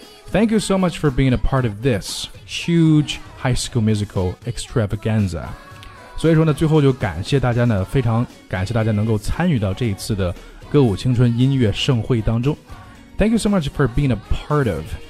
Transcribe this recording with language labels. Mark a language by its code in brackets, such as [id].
[en] Thank you so much for being a part of this huge High School Musical extravaganza. [zh] 所以说呢最后就感谢大家呢，非常感谢大家能够参与到这一次的歌舞青春音乐盛会当中。 [en] Thank you so much for being a part of.